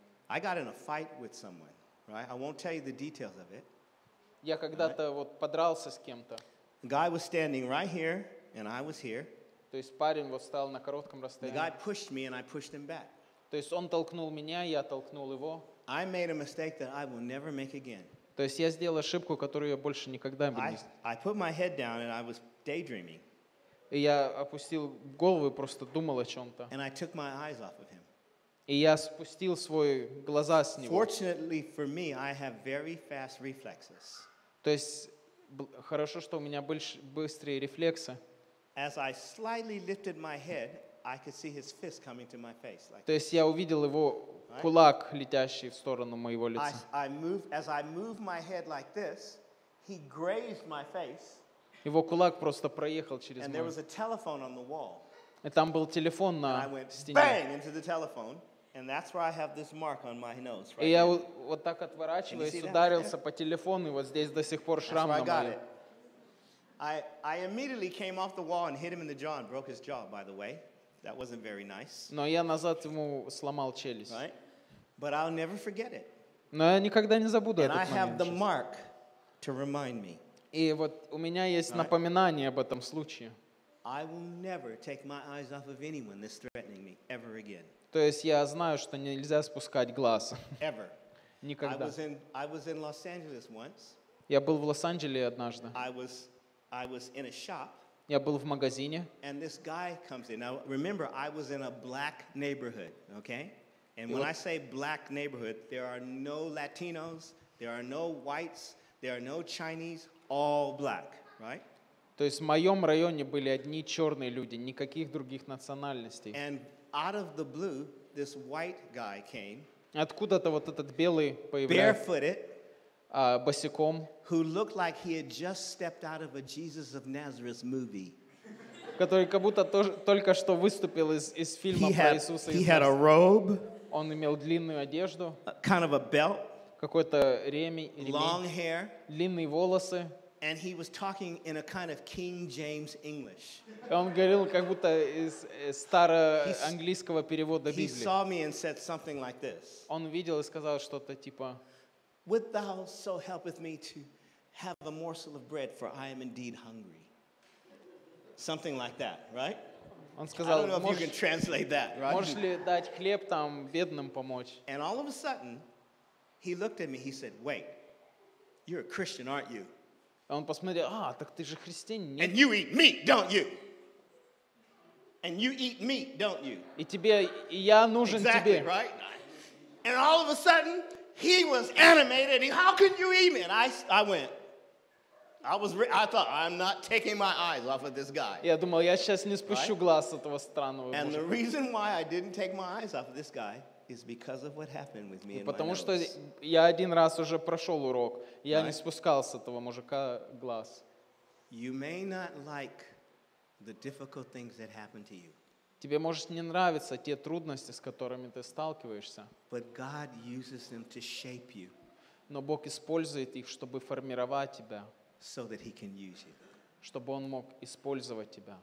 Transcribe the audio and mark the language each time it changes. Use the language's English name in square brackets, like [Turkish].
[English] I got in a fight with someone, right? I won't tell you the details of it. [Russian] Я когда-то вот подрался с кем-то. [English] The guy was standing right here, and I was here. [Russian] То есть парень вот стал на коротком расстоянии. [English] The guy pushed me, and I pushed him back. [Russian] То есть он толкнул меня, я толкнул его. [English] I made a mistake that I will never make again. [Russian] То есть я сделал ошибку, которую я больше никогда не. [English] I put my head down and I was daydreaming. [Russian] И я опустил голову и просто думал о чем-то. [English] And I took my eyes off of him. [Russian] И я спустил свои глаза с него. [English] Fortunately for me, I have very fast reflexes. [Russian] То есть хорошо, что у меня быстрые рефлексы. [English] As I slightly lifted my head, I could see his fist coming to my face. [Russian] То есть я увидел его. Кулак, летящий в сторону моего лица. [English] As I move my head like this, he grazed my face. [Russian] Его кулак просто проехал через мой. [English] And there was a telephone on the wall. [Russian] И там был телефон на стене. [English] Bang into the telephone, and that's where I have this mark on my nose. [Russian] И я вот так отворачиваюсь, ударился по телефону, и вот здесь до сих пор шрам на моей. [English] I immediately came off the wall and hit him in the jaw and broke his jaw. By the way. That wasn't very nice. [Russian] Но я назад ему сломал челюсть. [English] Right? But I'll never forget it. [Russian] Но я никогда не забуду [English] And [Russian] этот [English] I have the mark to remind me. [Russian] И вот у меня есть right. напоминание об этом случае. [English] I will never take my eyes off of anyone that's threatening me ever again. [Russian] То есть я знаю, что нельзя спускать глаз. [English] Ever. [Russian] Никогда. [English] I was in Los Angeles once. [Russian] Я был в Лос-Анджелесе однажды. [English] I was in a shop. [Russian] Я был в магазине. [English] And this guy comes in. Now remember, I was in a black neighborhood, okay? And when I say black neighborhood, there are no Latinos, there are no whites, there are no Chinese, all black, right? [Russian] То есть в моем районе были одни черные люди, никаких других национальностей. [English] And out of the blue, this white guy came. [Russian] Откуда-то вот этот белый появляется. [English] Barefooted. [Russian] Босиком. [English] Who looked like he had just stepped out of a Jesus of Nazareth movie. [Russian] Который как будто только что выступил из фильма про Иисуса. [English] He had a robe. [Russian] Он имел длинную одежду. [English] Kind of a belt. [Russian] Какой-то ремень. [English] Long hair. [Russian] Длинные волосы. [English] And he was talking in a kind of King James English. [Russian] Он говорил как будто из староанглийского перевода Библии. [English] He saw me and said something like this. [Russian] Он видел и сказал что-то типа: [English] Would thou so helpeth me to have a morsel of bread, for I am indeed hungry. Something like that, right? [Russian] Он сказал, [English] I don't know if you can translate that, right? [Russian] Можешь ли дать хлеб там бедным помочь? [English] And all of a sudden, he looked at me, he said, wait, you're a Christian, aren't you? [Russian] Он посмотрел, а, так ты же христианин. [English] And you eat meat, don't you? And you eat meat, don't you? [Russian] И тебе, и я нужен [English] exactly, Exactly, right? And all of a sudden, he was animated. How can you even? I thought, I'm not taking my eyes off of this guy. [Russian] Я думал, я сейчас не спущу глаз с этого странного. [English] And the reason why I didn't take my eyes off of this guy is because of what happened with me and my nose. [Russian] Потому что я один раз уже прошел урок. Я не спускал с этого мужика глаз. [English] You may not like the difficult things that happen to you. [Russian] Тебе может не нравиться те трудности, с которыми ты сталкиваешься. [English] But God uses them to shape you. [Russian] Но Бог использует их, чтобы формировать тебя. [English] So that he can use you. [Russian] Чтобы он мог использовать тебя.